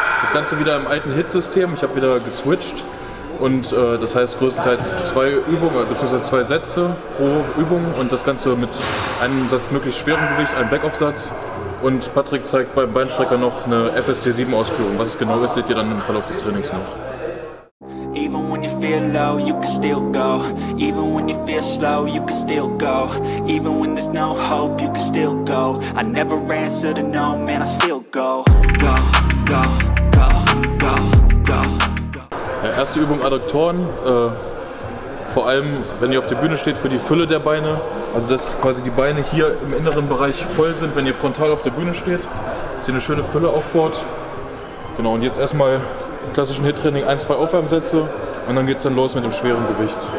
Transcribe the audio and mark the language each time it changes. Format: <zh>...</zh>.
<de>Das Ganze wieder im alten HIIT-System. Ich habe wieder geswitcht. Und das heißt größtenteils zwei Übungen, beziehungsweise zwei Sätze pro Übung. Und das Ganze mit einem Satz möglichst schwerem Gewicht, einem Backoff-Satz. Und Patrick zeigt beim Beinstrecker noch eine FSC-7-Ausführung. Was es genau ist, seht ihr dann im Verlauf des Trainings noch.</de> <en>Even when you feel low, you can still go. Even when you feel slow, you can still go. Even when there's no hope, you can still go. I never answer to no, man, I still go. Go, go, go, go, go.</en> <de>Ja, erste Übung Adduktoren, vor allem wenn ihr auf der Bühne steht, für die Fülle der Beine, also dass quasi die Beine hier im inneren Bereich voll sind, wenn ihr frontal auf der Bühne steht, dass ihr eine schöne Fülle aufbaut. Genau, und jetzt erstmal im klassischen HIIT-Training ein, zwei Aufwärmsätze und dann geht es dann los mit dem schweren Gewicht.</de>